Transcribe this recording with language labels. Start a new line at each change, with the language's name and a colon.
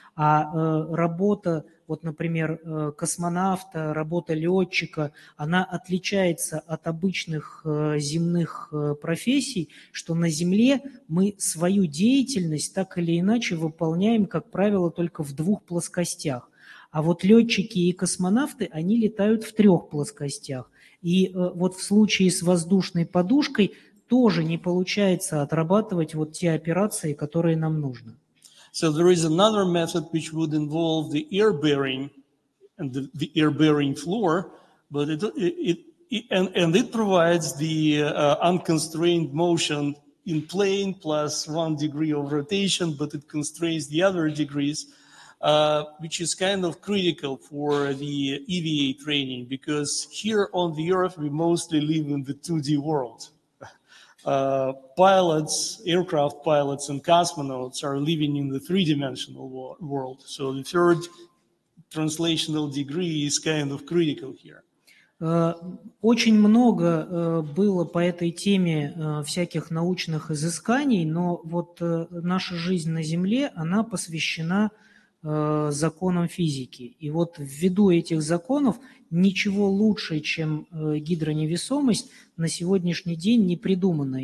Russian: А работа, вот, например, космонавта, работа летчика, она отличается от обычных земных профессий, что на Земле мы свою деятельность так или иначе выполняем, как правило, только в двух плоскостях. А вот летчики и космонавты, они летают в трех плоскостях. И вот в случае с воздушной подушкой тоже не получается отрабатывать вот те операции, которые нам нужны.
English: So there is another method which would involve the air bearing and the air bearing floor, but it provides the unconstrained motion in plane plus one degree of rotation, but it constrains the other degrees, which is kind of critical for the EVA training, because here on the Earth we mostly live in the 2D world. Pilots, aircraft pilots and cosmonauts are living in the three-dimensional world. So the third translational degree is kind of critical here.
Russian: Очень много было по этой теме всяких научных изысканий, но вот наша жизнь на Земле, она посвящена законам физики. И вот ввиду этих законов ничего лучше, чем гидроневесомость, на сегодняшний день не придумано.